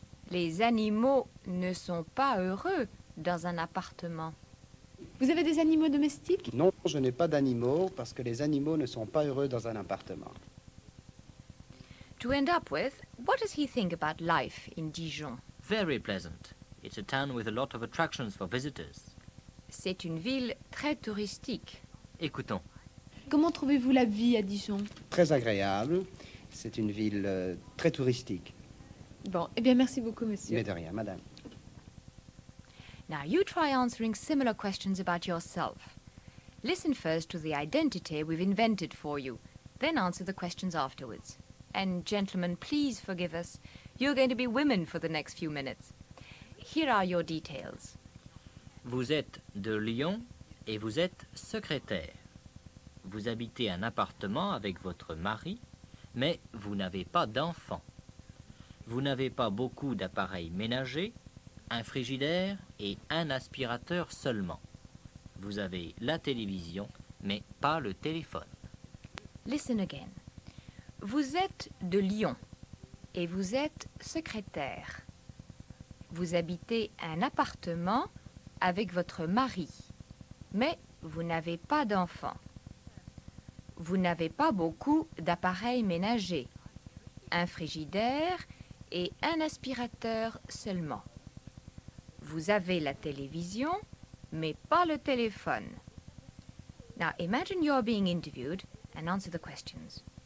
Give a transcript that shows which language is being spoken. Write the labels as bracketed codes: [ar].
[fr] Les animaux ne sont pas heureux dans un appartement. Vous avez des animaux domestiques? Non, je n'ai pas d'animaux parce que les animaux ne sont pas heureux dans un appartement. [en] To end up with, what does he think about life in Dijon? Very pleasant. It's a town with a lot of attractions for visitors. [fr] C'est une ville très touristique. Écoutons. Comment trouvez-vous la vie à Dijon? Très agréable. C'est une ville très touristique. Bon, eh bien, merci beaucoup, monsieur. Mais de rien, madame. [en] Now, you try answering similar questions about yourself. Listen first to the identity we've invented for you, then answer the questions afterwards. And, gentlemen, please forgive us. You're going to be women for the next few minutes. Here are your details. [fr] Vous êtes de Lyon et vous êtes secrétaire. Vous habitez un appartement avec votre mari, mais vous n'avez pas d'enfants. Vous n'avez pas beaucoup d'appareils ménagers, un frigidaire et un aspirateur seulement. Vous avez la télévision, mais pas le téléphone. [en] Listen again. [fr] Vous êtes de Lyon et vous êtes secrétaire. Vous habitez un appartement avec votre mari, mais vous n'avez pas d'enfants. Vous n'avez pas beaucoup d'appareils ménagers, un frigidaire et un aspirateur seulement. Vous avez la télévision, mais pas le téléphone. [en] Now imagine you're being interviewed and answer the questions.